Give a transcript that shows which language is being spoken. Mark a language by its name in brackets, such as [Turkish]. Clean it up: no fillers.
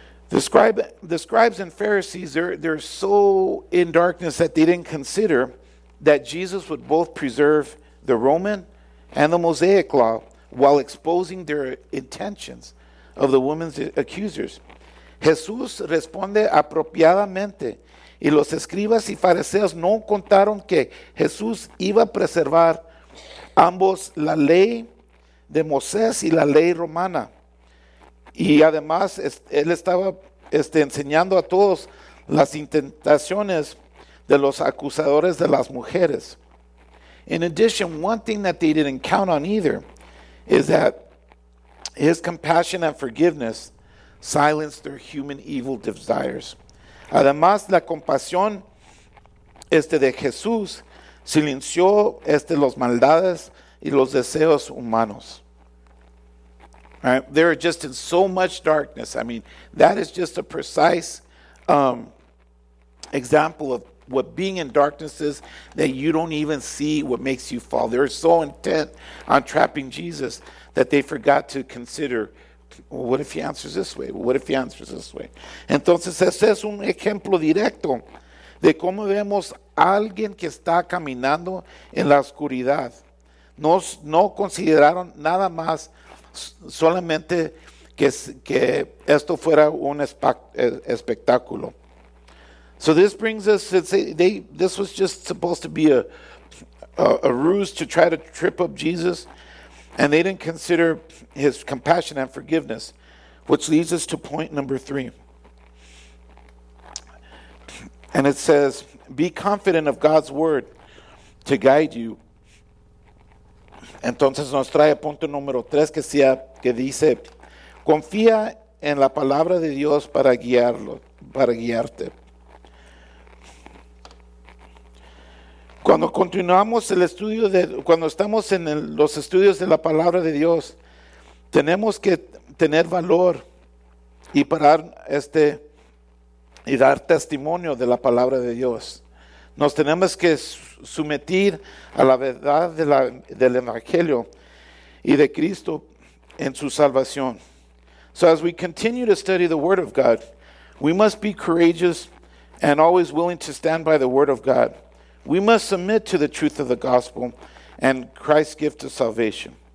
[English] The scribes and Pharisees, they're so in darkness that they didn't consider that Jesus would both preserve the Roman and the Mosaic law while exposing their intentions of the woman's accusers. [Spanish] Jesús responde apropiadamente, y los escribas y fariseos no contaron que Jesús iba a preservar ambos la ley de Moisés y la ley romana. Y además, él estaba enseñando a todos las intentaciones de los acusadores de las mujeres. [English] In addition, one thing that they didn't count on either is that his compassion and forgiveness silenced their human evil desires. [Spanish] Además, la compasión de Jesús silenció las maldades y los deseos humanos. [English] Right? They're just in so much darkness. I mean, that is just a precise example of what being in darkness is, that you don't even see what makes you fall. They're so intent on trapping Jesus that they forgot to consider, well, what if he answers this way? What if he answers this way? [Spanish] Entonces, ese es un ejemplo directo de cómo vemos alguien que está caminando en la oscuridad. No consideraron nada más, solamente que esto fuera un espectáculo. [English] So this brings us, this was just supposed to be a ruse to try to trip up Jesus, and they didn't consider his compassion and forgiveness, which leads us to point number three. And it says, be confident of God's word to guide you. [Spanish] Entonces nos trae a punto número tres que dice, confía en la palabra de Dios para guiarte. Cuando continuamos el estudio cuando estamos en los estudios de la palabra de Dios, tenemos que tener valor y parar y dar testimonio de la palabra de Dios. Nos tenemos que sumetir a la verdad de del Evangelio y de Cristo en su salvación. [English] So as we continue to study the Word of God, we must be courageous and always willing to stand by the Word of God. We must submit to the truth of the gospel and Christ's gift of salvation.